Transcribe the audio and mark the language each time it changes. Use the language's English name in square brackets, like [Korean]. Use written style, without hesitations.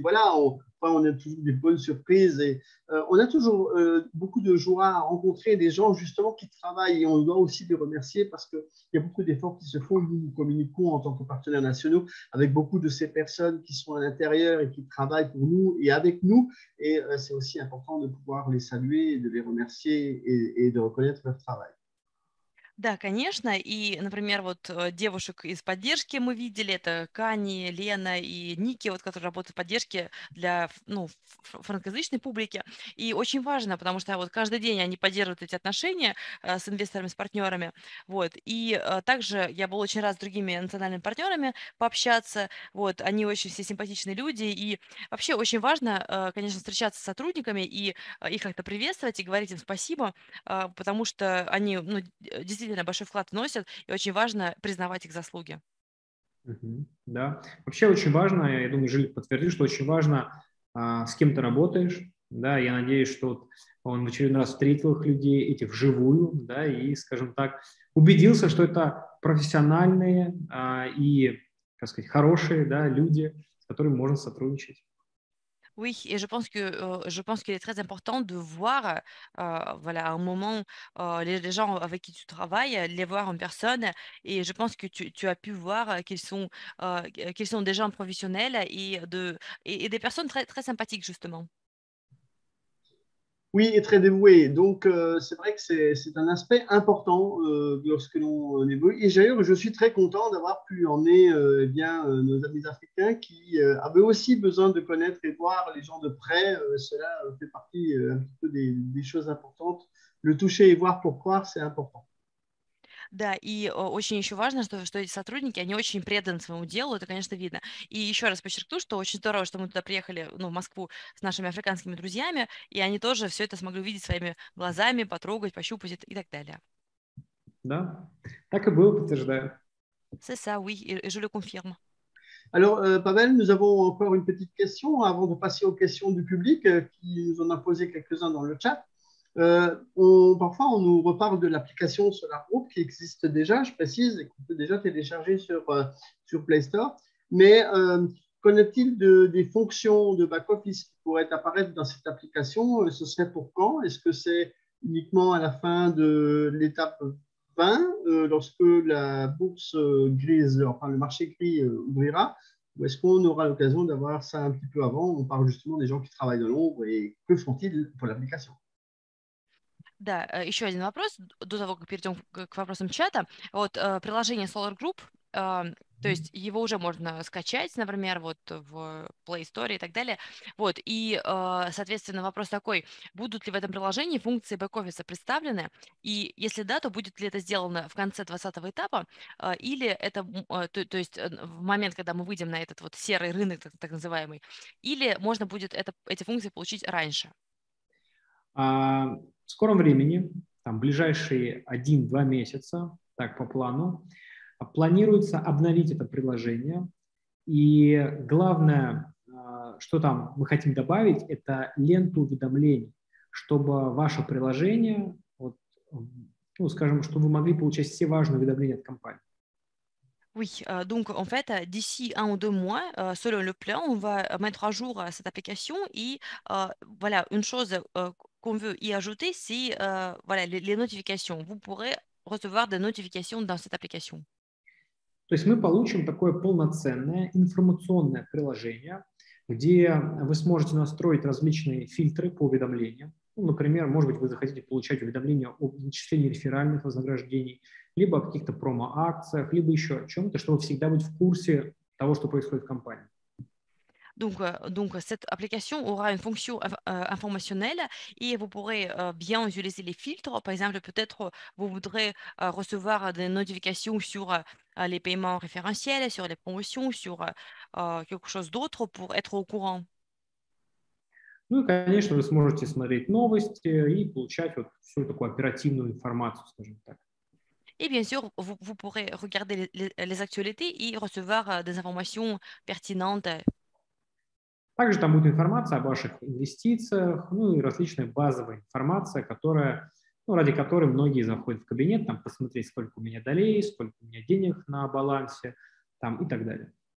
[French] Voilà, on a toujours des bonnes surprises et on a toujours beaucoup de joie à rencontrer des gens justement qui travaillent et on doit aussi les remercier parce qu'il y a beaucoup d'efforts qui se font. Nous communiquons en tant que partenaires nationaux avec beaucoup de ces personnes qui sont à l'intérieur et qui travaillent pour nous et avec nous et c'est aussi important de pouvoir les saluer, de les remercier et de reconnaître leur travail. [Russian] Да, конечно. И, например, вот девушек из поддержки мы видели, это Кани, Лена и Ники, вот, которые работают в поддержке для ну, франкоязычной публики. И очень важно, потому что вот каждый день они поддерживают эти отношения с инвесторами, с партнерами. Вот. И также я был очень рад с другими национальными партнерами пообщаться. Вот. Они очень все симпатичные люди. И вообще очень важно, конечно, встречаться с сотрудниками и их как-то приветствовать и говорить им спасибо, потому что они ну, действительно большой вклад вносят, и очень важно признавать их заслуги. Да. Вообще очень важно, я думаю, Жиль подтвердил, что очень важно, с кем ты работаешь. Да, я надеюсь, что он в очередной раз встретил их людей, этих вживую, да, и, скажем так, убедился, что это профессиональные и, как сказать, хорошие, да, люди, с которыми можно сотрудничать. [French] Oui, et je pense qu'il est très important de voir, voilà, à un moment, les gens avec qui tu travailles, les voir en personne. Et je pense que tu as pu voir qu'ils sont des gens professionnels et des personnes très, très sympathiques, justement. Oui, et très dévoués. Donc, c'est vrai que c'est un aspect important lorsque l'on évolue. Et d'ailleurs, je suis très content d'avoir pu emmener nos amis africains qui avaient aussi besoin de connaître et voir les gens de près. Cela fait partie un petit peu des choses importantes Le toucher et voir pour croire, c'est important. [Russian] Да, и очень еще важно, что эти сотрудники, они очень преданы своему делу, это, конечно, видно. И еще раз подчеркну, что очень здорово, что мы туда приехали, ну, в Москву с нашими африканскими друзьями, и они тоже все это смогли увидеть своими глазами, потрогать, пощупать и так далее. Да, так и было, подтверждаю. [French] C'est ça, oui, et je le confirme. Alors, Pavel, nous avons encore une petite question avant de passer aux questions du public qui nous en a posé quelques-uns dans le chat. Parfois, on nous reparle de l'application Solar Group qui existe déjà, je précise, et qu'on peut déjà télécharger sur Play Store. Mais qu'en est-il des fonctions de back-office qui pourraient apparaître dans cette application? Ce serait pour quand? Est-ce que c'est uniquement à la fin de l'étape 20, lorsque la bourse grise, enfin le marché gris ouvrira? Ou est-ce qu'on aura l'occasion d'avoir ça un petit peu avant? On parle justement des gens qui travaillent dans l'ombre et que font-ils pour l'application? [Russian] Да, еще один вопрос, до того, как перейдем к вопросам чата. Вот приложение Solar Group, то есть его уже можно скачать, например, вот в Play Store и так далее. Вот, и, соответственно, вопрос такой, будут ли в этом приложении функции бэк-офиса представлены, и если да, то будет ли это сделано в конце 20-го этапа, или это, то есть в момент, когда мы выйдем на этот вот серый рынок, так называемый, или можно будет эти функции получить раньше? В скором времени, там ближайшие 1-2 месяца, так по плану, планируется обновить это приложение. И главное, что там мы хотим добавить, это ленту уведомлений, чтобы ваше приложение, вот, ну, скажем, чтобы вы могли получать все важные уведомления от компании. [French] Oui, donc en fait, d'ici un ou deux mois, selon le plan, on va mettre à jour cette application et voilà, une chose qu'on veut y ajouter, c'est voilà, les notifications. Vous pourrez recevoir des notifications dans cette application. [Russian] То есть мы получим такое полноценное информационное приложение, где вы сможете настроить различные фильтры по уведомлениям. Ну, например, может быть, вы захотите получать уведомления о начислении реферальных вознаграждений, либо о каких-то промо-акциях, либо еще о чем-то, чтобы всегда быть в курсе того, что происходит в компании. [French] Donc cette application aura une fonction informationnelle et vous pourrez bien utiliser les filtres. Par exemple, peut-être vous voudrez recevoir des notifications sur les paiements référentiels, sur les promotions, sur quelque chose d'autre pour être au courant. [Russian] Ну и, конечно, вы сможете смотреть новости и получать вот всю такую оперативную информацию, скажем так. И, [French] bien sûr, vous pourrez regarder les actualités et recevoir des informations pertinentes. [Russian] Также там будет информация о ваших инвестициях, ну и различная базовая информация, которая, ну, ради которой многие заходят в кабинет, там посмотреть, сколько у меня долей, сколько у меня денег на балансе, там и так далее.